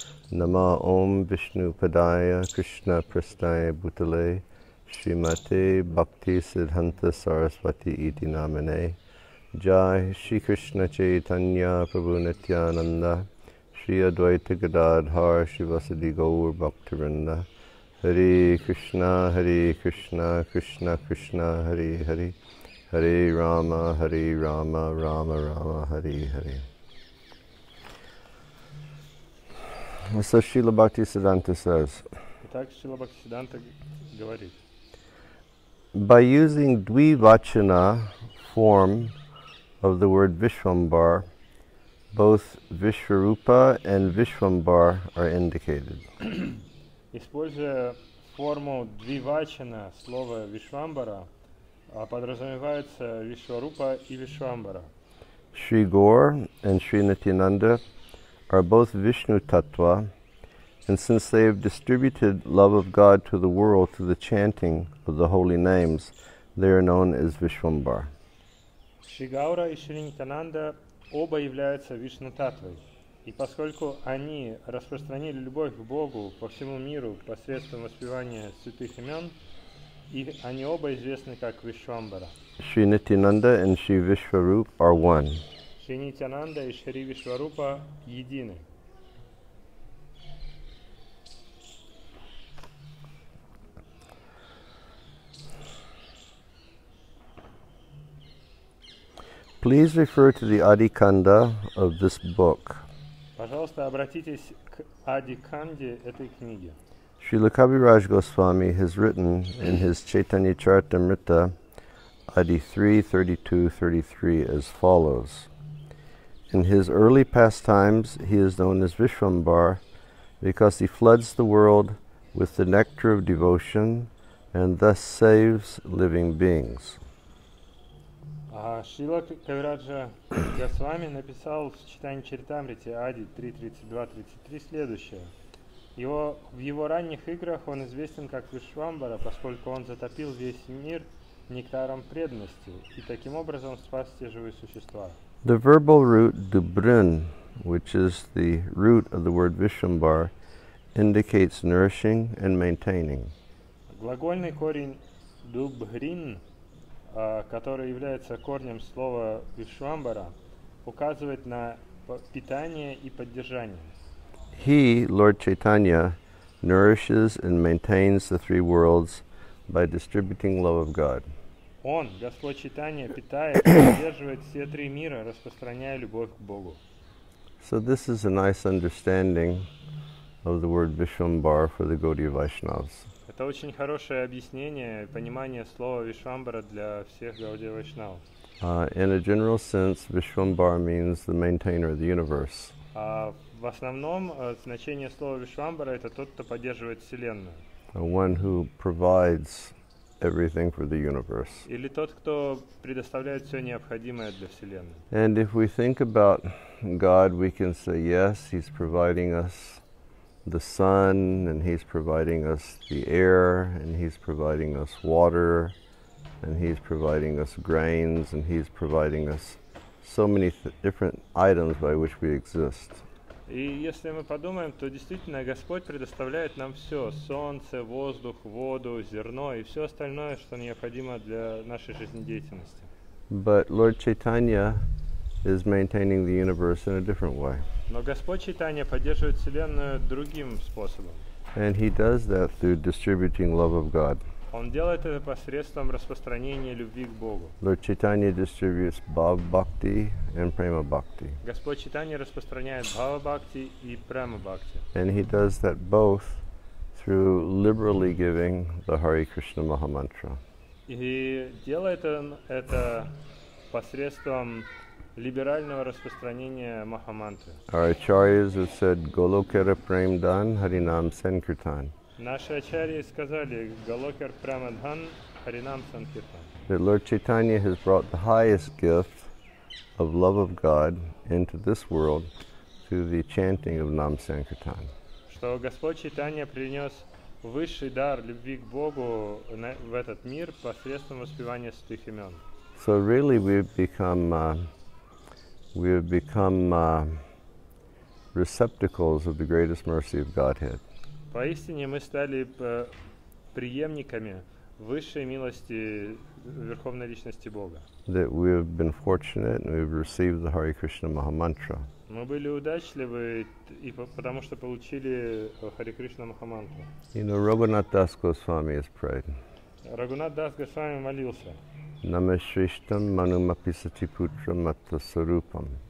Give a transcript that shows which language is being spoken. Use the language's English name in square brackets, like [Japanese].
[Sanskrit] Нама Ом Вишну Падая Кришна Прастая Бутале Шримате Бхакти Сиддханта Сарасвати Ити Намине Джай Шри Кришна Чайтанья Прабху Нитьянанда Шри Адвайта Гададхар Шивасади Гаур Бхактивинда Хари Кришна Хари Кришна Кришна Кришна Хари Хари Хари Рама Хари Рама Рама Рама Хари Хари. [English] So Srila Bhaktisiddhanta says, [Russian] Итак, Шрила Бхактисиддханта говорит, [English] by using dvivachana form of the word Vishvambar, both Vishvarupa and Vishvambar are indicated. [Russian] Используя форму двивачана слова Вишвамбара, подразумевается Вишварупа и Вишвамбара. [English] Shri Gaur and Shri Nityananda are both Vishnu Tattva, and since they have distributed love of God to the world through the chanting of the holy names, they are known as Vishvambar. [Russian] Шри Гаура и Шри Нитянанда оба являются Вишну Таттвой, и поскольку они распространили любовь к Богу по всему миру посредством воспевания святых имен, их они оба известны как Вишвамбара. [English] Шри Нитянанда and Шри Вишварупа are one. [Russian] Шри Нитянанда и Шри Вишварупа едины. [English] Please refer to the Adikanda of this book. [Russian] Пожалуйста, обратитесь к Адиканде этой книги. [English] Srila Kaviraj Goswami has written in his Chaitanya Charitamrita, Adi 3:32-33, as follows. In his early pastimes, he is known as Vishvambar because he floods the world with the nectar of devotion and thus saves living beings. [Russian] Шрила Кавираджа Госвами написал в Читании Чаритамрити Ади 3.32.33 следующее. В его ранних играх он известен как Вишвамбара, поскольку он затопил весь мир нектаром преданности и таким образом спас все живые существа. [English] The verbal root dubrin, which is the root of the word Vishvambar, indicates nourishing and maintaining. [Russian] Глагольный корень дубрин, который является корнем слова Вишвамбара, указывает на питание и поддержание. [English] He, Lord Chaitanya, nourishes and maintains the three worlds by distributing love of God. [Russian] Он, Господь Чайтанья, питает и поддерживает все три мира, распространяя любовь к Богу. [English] So this is a nice understanding of the word Vishvambar for the Gaudiya Vaishnavas. [Russian] Это очень хорошее объяснение и понимание слова Вишвамбара для всех Гаудия Вайшнав. [English] In a general sense, Vishvambar means the maintainer of the universe. [Russian] В основном значение слова Вишвамбара это тот, кто поддерживает Вселенную. [English] One who provides everything for the universe. [Russian] Или тот, кто предоставляет все необходимое для Вселенной. [English] And if we think about God, we can say, yes, he's providing us the sun, and he's providing us the air, and he's providing us water, and he's providing us grains, and he's providing us so many different items by which we exist. [Russian] И если мы подумаем, то действительно Господь предоставляет нам все: солнце, воздух, воду, зерно и все остальное, что необходимо для нашей жизнедеятельности. [English] But Lord Chaitanya is maintaining the universe in a different way. [Russian] Но Господь Чайтанья поддерживает Вселенную другим способом. [English] And he does that through distributing love of God. [Russian] Он делает это посредством распространения любви к Богу. [English] Lord Chaitanya distributes bhava-bhakti and prema-bhakti. [Russian] Господь Чайтанья распространяет бхава-бхакти и према-бхакти. [English] And he does that both through liberally giving the Hare Krishna Mahamantra. [Russian] И делает он это посредством либерального распространения Махамантры. [English] Our acharyas have said, [Bangla] Golokera Premdan Harinam Sankirtan. [Russian] Наши ачарьи сказали [Bangla] Галокер Прамадхан Харинам Санкиртан. [English] That Lord Chaitanya has brought the highest gift of love of God into this world through the chanting of Nam Sankirtan. [Russian] Что Господь Чайтанья принес высший дар любви к Богу в этот мир посредством воспевания святых имен. [English] So really we've become receptacles of the greatest mercy of Godhead. [Russian] Поистине мы стали преемниками высшей милости Верховной Личности Бога. [English] That we have been fortunate and we've received the Hare Krishna Maha Mantra. [Russian] Мы были удачливы, и потому что получили Hare Krishna Maha Mantra. [English] You know, Raghunath Das Goswami has prayed. [Russian] Raghunath Das Goswami молился. [Sanskrit] Нама Шриштам Манумапи Сатипутра Матта Сарупам.